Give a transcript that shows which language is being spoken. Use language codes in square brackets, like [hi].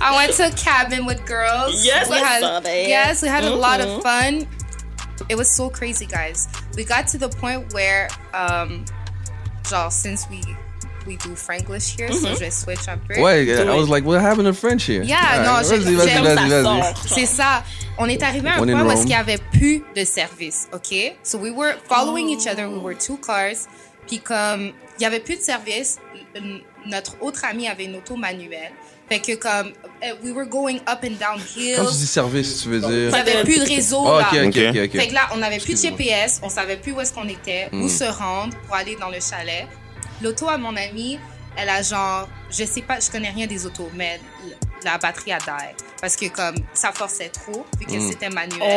[en] I went to a cabin with girls. Yes, we had. Saw yes, we had mm-hmm. a lot of fun. It was so crazy, guys. We got to the point where, y'all, since we do Franklish here, mm-hmm. so just switch up. Wait, I was like, what happened to French here? Yeah, all non, right. [fr] vas-y. C'est ça. On est arrivé à un point où est-ce qu'il y avait plus de service, okay? [en] So we were following each other. We were two cars. [fr] Puis comme il y avait plus de service, notre autre ami avait une auto manuelle. Fait que comme [en] we were going up and down hills. [fr] Quand tu dis service, tu veux dire? Il n'y avait plus de réseau là. [en] Okay. [fr] Fait que là, on n'avait plus de GPS, on savait plus où est-ce qu'on était, où se rendre pour aller dans le chalet. L'auto à mon amie, elle a genre, je sais pas, je connais rien des autos, mais la batterie a die. Parce que comme ça forçait trop, vu que c'était manuel.